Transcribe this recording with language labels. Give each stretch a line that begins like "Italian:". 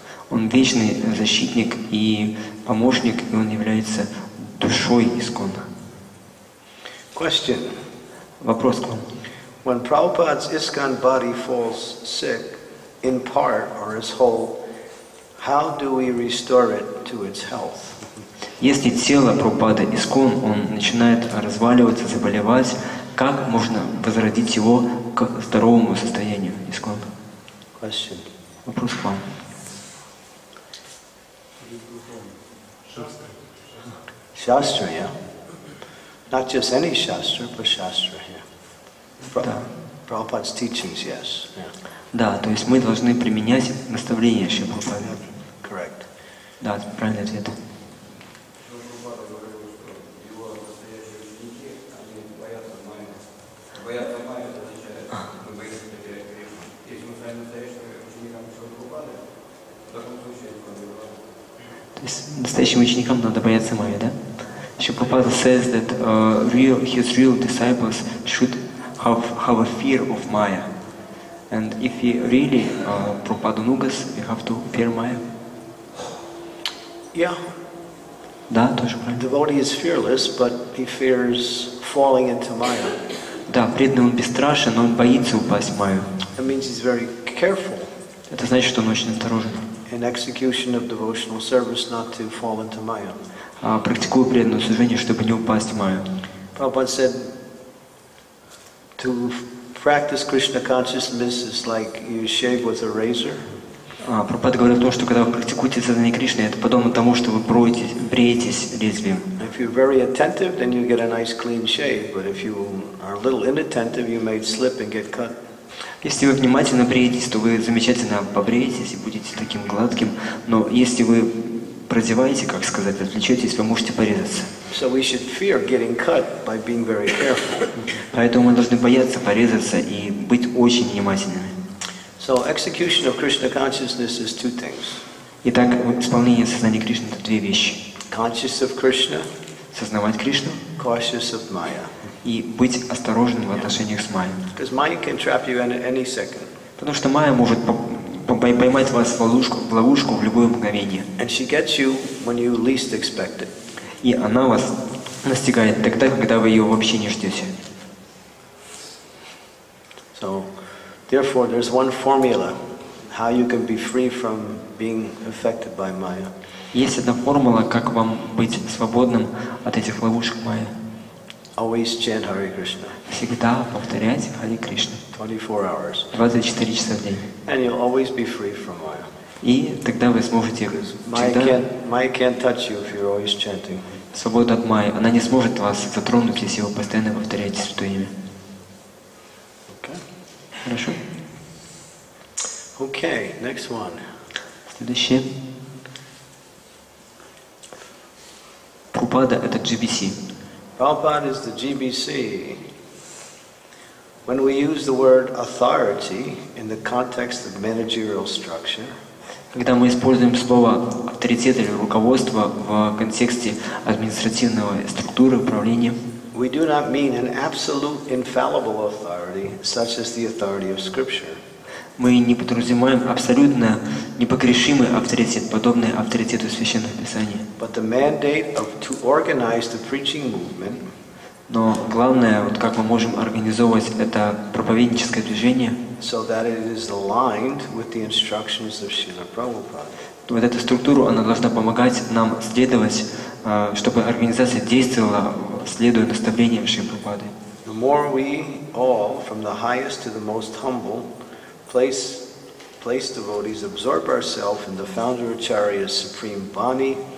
Russian: Он вечный защитник и помощник, и он является душой ISKCON.
English: Question.
Russian: Вопрос к вам.
English: When Prabhupada's ISKCON body falls sick, in part or as whole, how do we restore it to its health?
Russian: Если тело Прабхупады ISKCON, он начинает разваливаться, заболевать, как можно возродить его к здоровому состоянию ISKCON?
English: Question.
Russian: Вопрос к вам.
English: Shastra, yeah. Not just any shastra, but shastra, yeah. Prabhupada's teachings, yes.
Russian: Да, то есть мы должны применять наставления Шри Прабхупады.
English: Correct.
Russian: Да, правильный ответ. Настоящим ученикам надо бояться Майи, да?
English: Шипупада says that his real disciples should have a fear of Maya. And if he really Prabhupada Nugas, we have to fear Maya. Yeah.
Russian: Да, тоже правильно.
English: The devotee is fearless, but he fears falling into Maya.
Russian: Да, преданный он бесстрашен, но он боится упасть в Майю.
English: That means he's very careful.
Russian: Это значит, что он очень осторожен.
English: In execution of devotional service, not to fall into Maya.
Russian: Практикую преданное служение, чтобы не упасть в Майю.
English: Prabhupada said, to practice Krishna consciousness is like you shave with a razor.
Russian: Prabhupada говорит о том, что когда вы практикуете сознание Кришны, это подобно тому, что вы бреетесь лезвием.
English: If you're very attentive, then you get a nice clean shave. But if you are a little inattentive, you may slip and get cut.
Russian: Если вы внимательно бреетесь, то вы замечательно побреетесь и будете таким гладким. Но если вы продеваете, как сказать, отвлечетесь, вы можете порезаться.
English: So we should fear getting cut by being very careful.
Russian: Поэтому мы должны бояться порезаться и быть очень внимательными.
English: So execution of Krishna consciousness is two things.
Russian: Итак, исполнение сознания Кришны — это две вещи.
English: Conscious of Krishna.
Russian: Сознавать Кришну.
English: Conscious of Maya.
Russian: И быть осторожным в отношениях с Майей.
English: Maya can trap you in any second.
Russian: Потому что Майя может поймать вас в ловушку в любое мгновение.
English: And she gets you when you least expect it.
Russian: И она вас настигает тогда, когда вы ее вообще не ждете.
English: So, therefore, there's one formula how you can be free from being affected by Maya.
Russian: Есть одна формула, как вам быть свободным от этих ловушек Майи.
English: Always chant Hare Krishna.
Russian: Всегда повторять Хари Кришна.
English: 24 hours.
Russian: 24 часа в день.
English: And you'll always be free from Maya.
Russian: И тогда вы сможете
English: Maya can't touch you if you're always chanting.
Russian: Свобода от Майи. Она не сможет вас затронуть, если вы постоянно повторяете Святое Имя.
English: Okay.
Russian: Хорошо.
English: Okay, next one.
Russian: Следующее. Прабхупада — это GBC.
English: Prabhupada is the GBC. When we use the word authority in the context of managerial structure,
Russian: когда мы используем слово авторитет или руководство в контексте административной структуры управления,
English: we do not mean an absolute infallible authority such as the authority of Scripture.
Russian: Мы не подразумеваем абсолютно непогрешимый авторитет, подобный авторитету Священного Писания.
English: But the mandate of to organize the preaching movement.
Russian: Но главное, вот как мы можем организовывать это проповедническое движение.
English: So that it is aligned with the instructions of Srila Prabhupada.
Russian: Вот эту структуру, она должна помогать нам следовать, чтобы организация действовала, следуя наставлениям Шри Прабхупады.
English: The more we all, from the highest to the most humble, place devotees absorb ourselves in the founder acharya's supreme bani.